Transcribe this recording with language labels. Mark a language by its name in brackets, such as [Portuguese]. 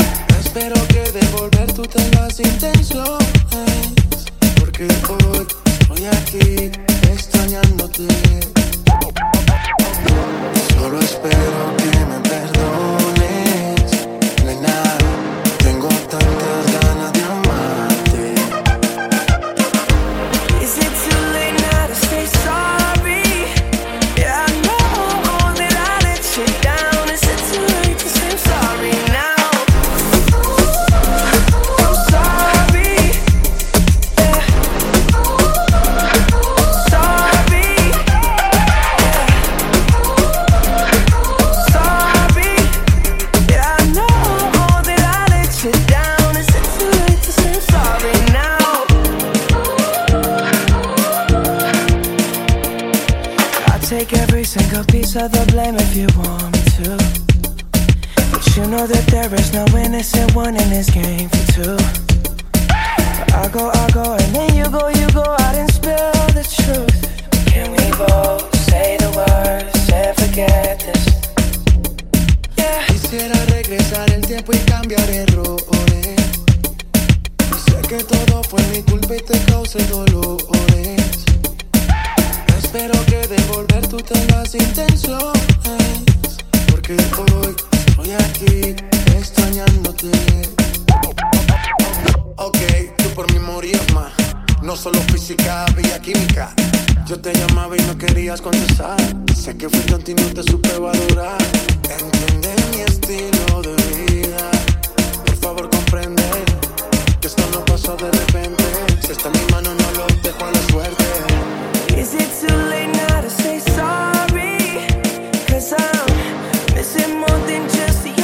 [Spanish] No espero que devolver tú te las intenciones, porque hoy estoy aquí extrañándote. Solo espero que me perdones, nena. Tengo tantas ganas de amarte. [English] Is it too late now to say sorry? Yeah, I know that I let you down. Is it too late to say sorry now? Ooh, ooh, sorry. Yeah, ooh, ooh, sorry. Yeah, ooh, ooh, sorry. Yeah, I know that I let you down. Is it too late to say sorry now? Ooh, ooh, ooh. I'll take every single piece of the blame if you want. You know that there is no innocent one in this game for two. I go, and then you go out and spill the truth. Can we both say the words and forget this? Yeah. [Spanish] Quisiera regresar el tiempo y cambiar errores. Sé que todo fue mi culpa y te causé dolores. No espero que devolver tú tengas intenciones, porque hoy estoy aquí extrañándote. Ok, tú por mí morías más. No solo física, había química. Yo te llamaba y no querías contestar. Sé que fui tonto y no te supe valorar. Entiende mi estilo de vida. Por favor comprende que esto no pasó de repente. Si está en mi mano no lo dejo a la suerte. [English] Is it too late now to say sorry? Cause I'm missing more than just.